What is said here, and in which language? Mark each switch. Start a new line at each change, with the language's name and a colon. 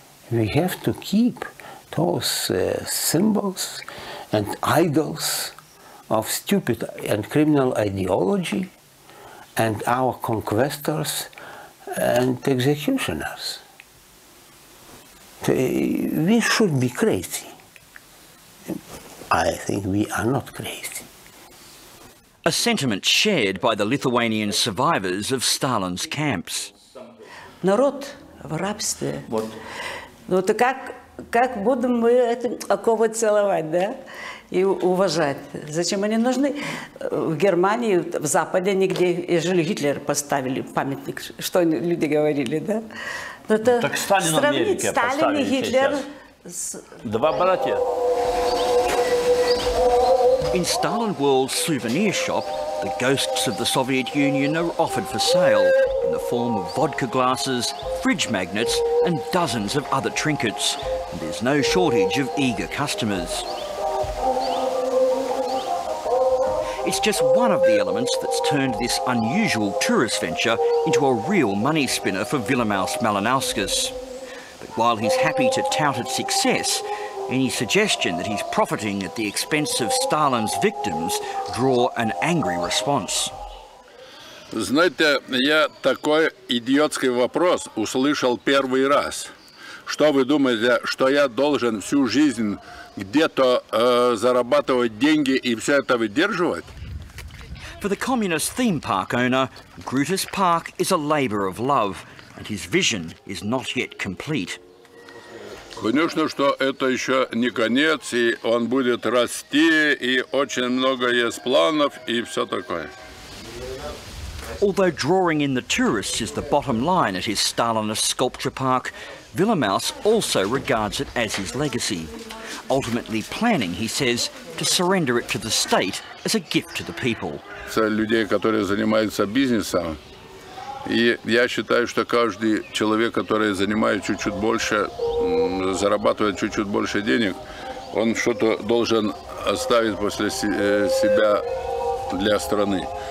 English: We have to keep those symbols and idols of stupid and criminal ideology and our conquestors and executioners. We should be crazy. I think we are not crazy. A sentiment shared by the Lithuanian survivors of Stalin's camps.
Russian: Народ в рабстве. Вот. Ну то как будем мы кого целовать, да? И уважать. Зачем они нужны? В Германии, в Западе нигде, ежели Гитлер поставили памятник, что люди говорили, да? Ну то сравнить Сталин и Гитлер. Два братья.
English: In Stalin World's souvenir shop, the ghosts of the Soviet Union are offered for sale in the form of vodka glasses, fridge magnets, and dozens of other trinkets. And there's no shortage of eager customers. It's just one of the elements that's turned this unusual tourist venture into a real money spinner for Vilimaus Malinauskas. But while he's happy to tout its success, any suggestion that he's profiting at the expense of Stalin's victims draw an angry response.
Russian: Знаете, я такой идиотский вопрос услышал первый раз. Что вы думаете, что я должен всю жизнь где-то зарабатывать деньги и все это выдерживать?
English: For the communist theme park owner, Grutas Park is a labor of love, and his vision is not yet complete.
Russian: Конечно, что это еще не конец, и он будет расти, и очень много есть планов, и все такое.
English: Although drawing in the tourists is the bottom line at his Stalinist sculpture park, Vilimaus also regards it as his legacy, ultimately planning, he says, to surrender it to the state as a gift to the people.
Russian: Это людей, которые занимаются бизнесом. И я считаю, что каждый человек, который занимает чуть-чуть больше, зарабатывает чуть-чуть больше денег, он что-то должен оставить после себя для страны.